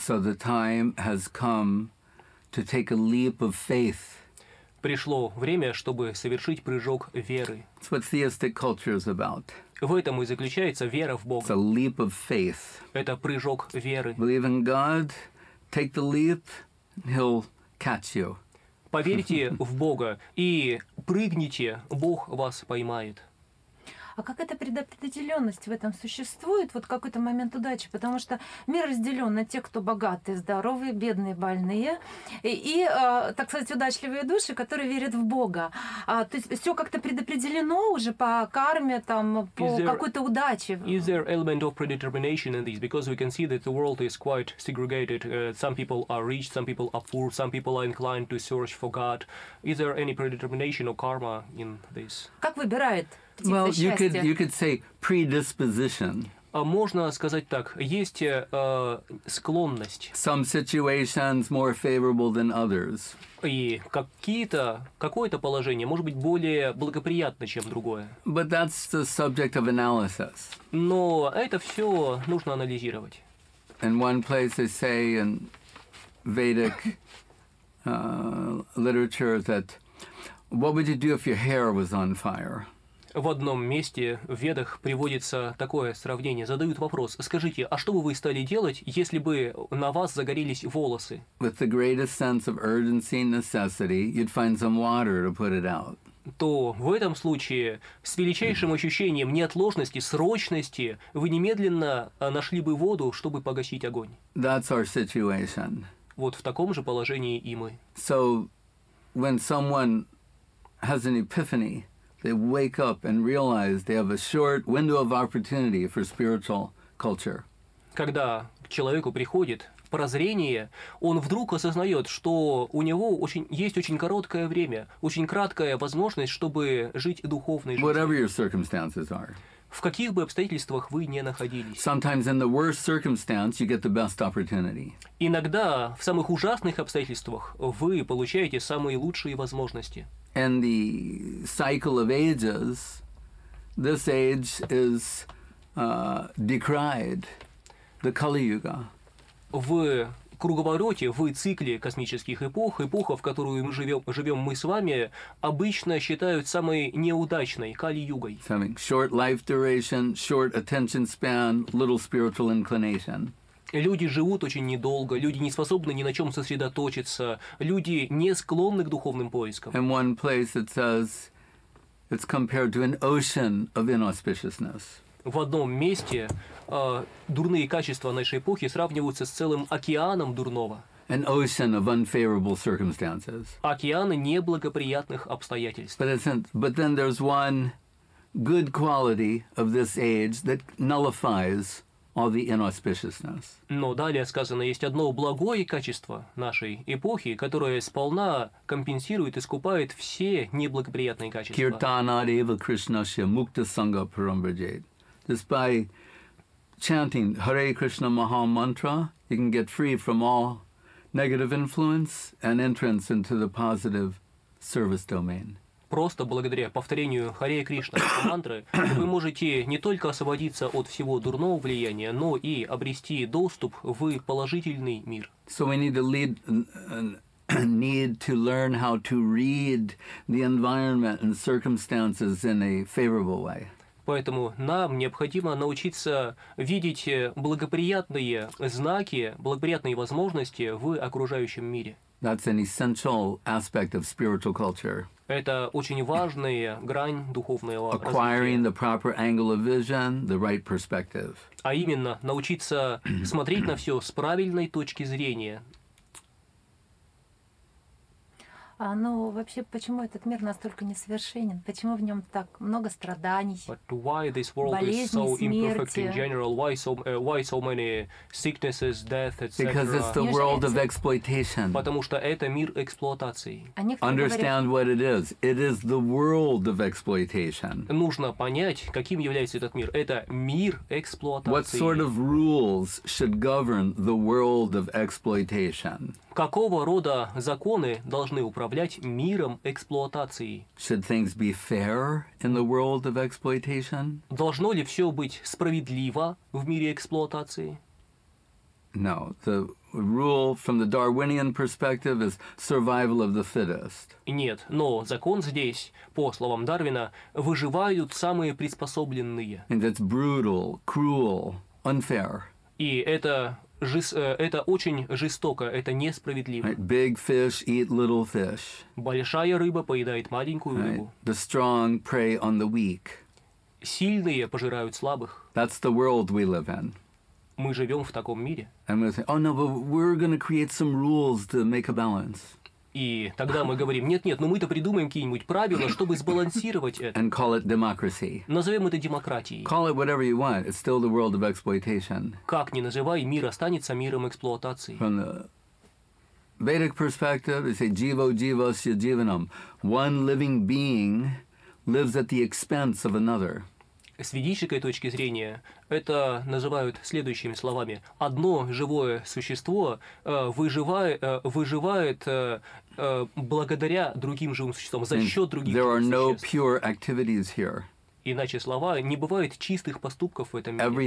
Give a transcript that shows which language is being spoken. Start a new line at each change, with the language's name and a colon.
English: So the time has come to take a leap of faith.
Russian: Пришло время, чтобы совершить прыжок веры.
English: It's what theistic culture is about.
Russian: В этом и заключается вера в Бога.
English: It's a leap of faith.
Russian: Это прыжок веры.
English: Believe in God, take the leap, he'll catch you.
Russian: Поверьте в Бога и прыгните, Бог вас поймает. А как эта предопределенность в этом существует? Вот какой-то момент удачи, потому что мир разделен на тех, кто богатые, здоровые, бедные, больные, так сказать, удачливые души, которые верят в Бога. То есть все как-то предопределено уже по карме, там, по какой-то удаче.
English: Is there element of predetermination in this? Because we can see that the world is quite segregated. Some people are rich, some people are poor, some people are inclined to search for God. Is there any predetermination or karma in this?
Russian: Как выбирает?
English: Well, you could say predisposition.
Russian: Можно сказать так. Есть склонность.
English: Some situations more favorable than others.
Russian: И какое-то положение может быть более благоприятно, чем другое.
English: But that's the subject of analysis.
Russian: Но это все нужно анализировать.
English: In one place they say in Vedic literature that what would you do if your hair was on fire?
Russian: В одном месте в Ведах приводится такое сравнение. Задают вопрос: скажите, а что бы вы стали делать, если бы на вас загорелись волосы?
English: With the greatest sense of urgency and necessity, you'd find some water to put it out.
Russian: То в этом случае с величайшим ощущением неотложности, срочности, вы немедленно нашли бы воду, чтобы погасить огонь.
English: That's our situation.
Russian: Вот в таком же положении и мы.
English: So, when someone has an epiphany, they wake up and realize they have a short window of opportunity for spiritual culture.
Russian: Когда к человеку приходит прозрение, он вдруг осознает, что у него есть очень короткое время, очень краткая возможность, чтобы жить духовной жизнью.
English: Whatever your circumstances are.
Russian: В каких бы обстоятельствах вы ни находились.
English: Sometimes in the worst circumstance you get the best opportunity.
Russian: Иногда в самых ужасных обстоятельствах вы получаете самые лучшие возможности.
English: In the cycle of ages, this age is decried, the Kali Yuga.
Russian: В круговороте, в цикле космических эпох, эпоха, в которую мы живем мы с вами, обычно считают самой неудачной Кали Югой.
English: Something short life duration, short attention span, little spiritual inclination.
Russian: Люди живут очень недолго, люди не способны ни на чем сосредоточиться, люди не склонны к духовным поискам.
English: In one place it says it's compared to an ocean of inauspiciousness.
Russian: В одном месте дурные качества нашей эпохи сравниваются с целым океаном дурного.
English: An ocean of unfavorable circumstances.
Russian: Океаны неблагоприятных обстоятельств.
English: But then there's one good quality of this age that nullifies all the inauspiciousness.
Russian: Но далее сказано, есть одно благое качество нашей эпохи, которое сполна компенсирует и искупает все неблагоприятные качества.
Sanskrit: Киртана Рива Кришнаши Мукта Санга Парамбраджет.
English: Just by chanting Hare Krishna Maha Mantra, you can get free from all negative influence and entrance into the positive service domain.
Russian: Просто благодаря повторению Харе Кришна мантры вы можете не только освободиться от всего дурного влияния, но и обрести доступ в положительный мир.
English: So we need to learn how to read the environment and circumstances in a favorable way.
Russian: Поэтому нам необходимо научиться видеть благоприятные знаки, благоприятные возможности в окружающем мире.
English: That's an essential aspect of spiritual culture.
Russian: Это очень важная грань духовного развития.
English: Acquiring the proper angle of vision, the right perspective.
Russian: А именно, научиться смотреть на все с правильной точки зрения. А ну вообще, почему этот мир настолько несовершенен? Почему в нем так много страданий?
English: But why this world is so imperfect in general? Why so many sicknesses, death, etc.? Because it's the world of exploitation.
Russian: Потому что это мир эксплуатации.
English: Understand what it is. It is the world of exploitation.
Russian: Нужно понять, каким является этот мир. Это мир эксплуатации.
English: What sort of rules should govern the world of exploitation?
Russian: Какого рода законы должны управлять миром эксплуатации?
English: Should things be fair in the world of exploitation?
Russian: Должно ли все быть справедливо в мире эксплуатации?
English: No, the rule from the Darwinian perspective is survival of the fittest.
Russian: Нет, но закон здесь, по словам Дарвина, выживают самые приспособленные.
English: And that's brutal, cruel, unfair.
Russian: И это это очень жестоко, это несправедливо.
English: Right. Big fish eat little fish.
Russian: Большая рыба поедает маленькую рыбу.
English: Right. The strong prey on the weak.
Russian: Сильные пожирают слабых.
English: That's the world we live in.
Russian: Мы живем в таком мире.
English: And we say, oh no, but we're going to create some rules to make a balance.
Russian: И тогда мы говорим, нет-нет, но мы-то придумаем какие-нибудь правила, чтобы сбалансировать это.
English: And call it democracy.
Russian: Назовем это демократией.
English: Call it whatever you want, it's still the world of exploitation.
Russian: Как ни называй, мир останется миром эксплуатации.
English: From the Vedic perspective, they say,
Sanskrit: jivo jivasya jivanam.
English: One living being lives at the expense of another.
Russian: С ведической точки зрения, это называют следующими словами. Одно живое существо выживает благодаря другим живым существам, за счет других
English: there
Russian: живых
English: are no
Russian: существ.
English: Pure activities here.
Russian: Иначе слова, не бывает чистых поступков в этом мире.